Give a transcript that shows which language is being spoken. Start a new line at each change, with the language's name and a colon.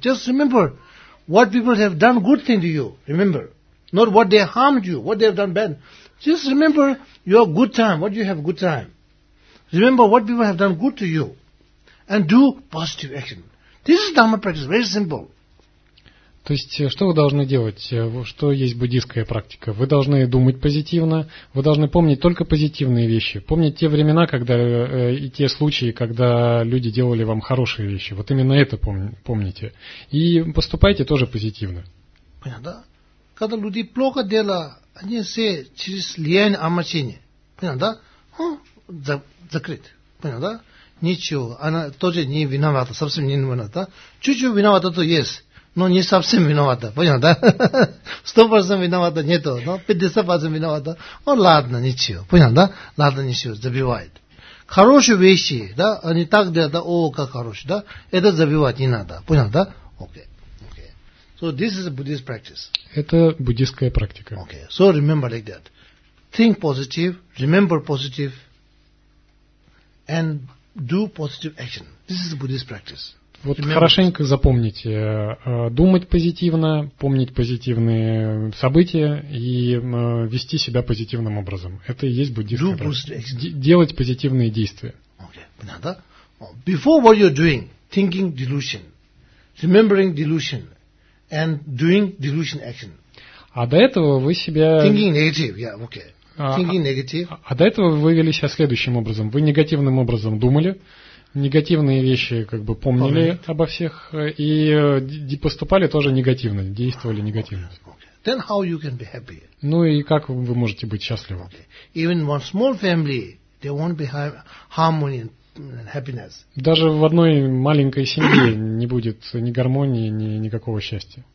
English: Just remember what people have done good thing to you. Remember. Not what they harmed you. What they have done bad. Just remember your good time. What you have good time. Remember what people have done good to you. And do positive action. This is Dharma practice, very simple.
Russian: То есть, что вы должны делать? Что есть буддийская практика? Вы должны думать позитивно, вы должны помнить только позитивные вещи, помнить те времена, когда и те случаи, когда люди делали вам хорошие вещи. Вот именно это помните. И поступайте тоже позитивно. Понятно, да? Когда люди плохо делают, они все через влияние омрачения. Понятно, да? Закрыт. Понятно, да? Ничего. Она тоже не виновата, совсем не виновата. Да? Чуть-чуть виновата, то есть. Но не совсем виновата, понятно, да? 100% виновата нету, но 50% виновата. Ну, ладно, ничего, понятно, да? Ладно, ничего, забивает. Хорошие вещи, да, они так делают, да, о, как хорошие, да? Это забивать не надо, понятно, да? Окей, окей.
English: So, this is a Buddhist practice.
Russian: Это буддийская практика. Окей,
English: so, remember like that. Think positive, remember positive, and do positive action. This is a Buddhist practice.
Russian: Вот хорошенько запомните, думать позитивно, помнить позитивные события и вести себя позитивным образом. Это и есть буддийская практика. Делать позитивные действия.
English: Okay. Before what you're doing, thinking delusion, remembering delusion, and doing delusion action.
Russian: А до этого вы себя...
English: Thinking negative, yeah, okay. Thinking negative.
Russian: А до этого вы вели себя следующим образом. Вы негативным образом думали, негативные вещи как бы помнили обо всех и поступали тоже негативно, действовали негативно.
English: Okay. Then how you can be happy?
Russian: Ну и как вы можете быть счастливы?
English: Okay. Even one small family, they won't be harmony and happiness.
Russian: Даже в одной маленькой семье не будет ни гармонии, ни никакого счастья.